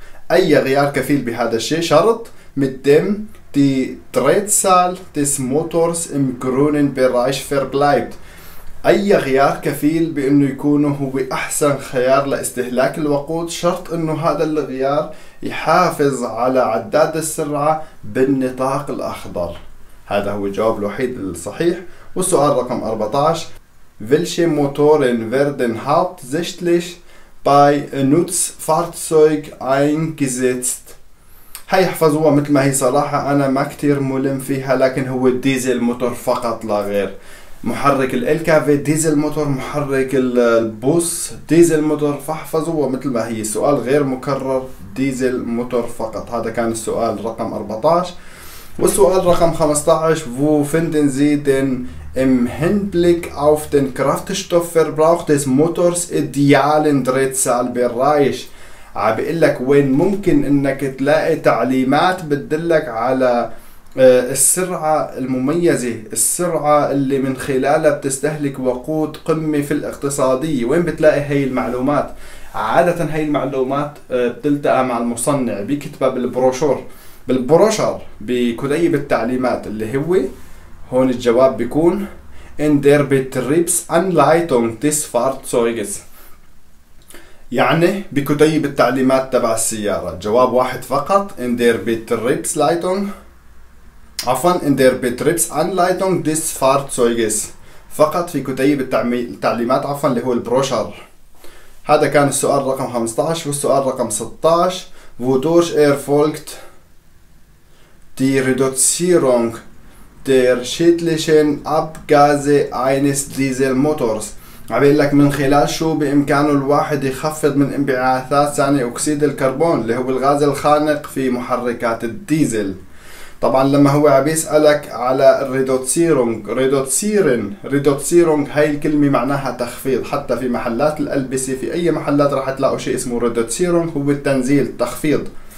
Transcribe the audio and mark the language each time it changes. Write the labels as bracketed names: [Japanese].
[Arabic] اي غيار كفيل بهذا الشيء، شرط [German] متم دي تريتسال ديس موتورز ام جرونن بيرايش فيربلايبت. [Arabic] اي غيار كفيل بانه يكون هو احسن خيار لاستهلاك الوقود، شرط انه هذا الغيار يحافظ على عداد السرعة بالنطاق الاخضر. هذا هو الجواب الوحيد الصحيح. والسؤال رقم 14، [German] welche Motoren werden hauptsächlich bei Nutzfahrzeug eingesetzt. [Arabic] هاي احفظوها مثل ما هي، صراحة انا ما كتير ملم فيها، لكن هو الديزل موتور فقط لا غير. محرك ال LKV ديزل موتور، محرك البوس ديزل موتور، فاحفظوه مثل ما هي، سؤال غير مكرر، ديزل موتور فقط. هذا كان السؤال رقم 14. والسؤال رقم 15، [German] wo finden Sie den im Hinblick auf den Kraftstoffverbrauch des Motors idealen Drehzahlbereich. [Arabic] عم بيقول لك وين ممكن انك تلاقي تعليمات بتدلك على السرعة المميزة، السرعة اللي من خلالها بتستهلك وقود قمة في الاقتصادية، وين بتلاقي هاي المعلومات؟ عادة هاي المعلومات بتلتقى مع المصنع بيكتبها بالبروشور بكتيب التعليمات، اللي هو هون الجواب بيكون [German] in der Betriebsanleitung des Fahrzeuges، [Arabic] يعني بكتيب التعليمات تبع السيارة. جواب واحد فقط، [German] in der Betriebsleitung، [Arabic] عفوا [German] in der Betriebsanleitung des Fahrzeuges، [Arabic] فقط في كتيب التعليمات عفوا اللي هو البروشر. هذا كان السؤال رقم 15. والسؤال رقم 16، [German] wodurch erfolgt die Reduzierung der schädlichen Abgase eines Dieselmotors. [Arabic] عم بيقول لك من خلال شو بامكانه الواحد يخفض من انبعاثات ثاني اكسيد الكربون اللي هو الغاز الخانق في محركات الديزل. طبعا لما هو عم يسألك على ريدوتسيرونغ، هاي الكلمة معناها تخفيض، حتى في محلات الألبسة، في أي محلات راح تلاقوا شيء اسمه ريدوتسيرونغ، هو التنزيل التخفيض.